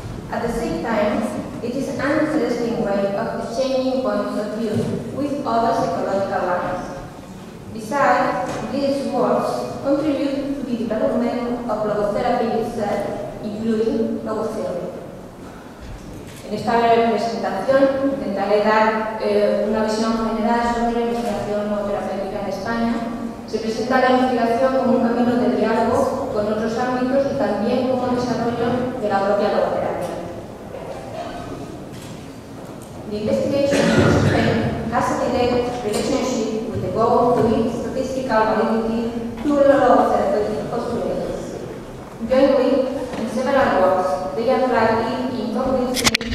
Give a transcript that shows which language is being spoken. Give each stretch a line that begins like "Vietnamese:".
English: At the same time, it is an interesting way of exchanging points of view with other psychological lines. Besides, these works contribute to the development of logotherapy research, including logotherapy.
Spanish: En esta breve presentación intentaré dar una visión general sobre la investigación logoterapéutica en España. Se presenta la investigación como un camino de diálogo con otros ámbitos y también como un desarrollo de la propia logoterapia.
English: The investigation system has a direct relationship with the goal of doing statistical validity to the logotherapeutic postulates. Jointly, in several works, they have tried in convincing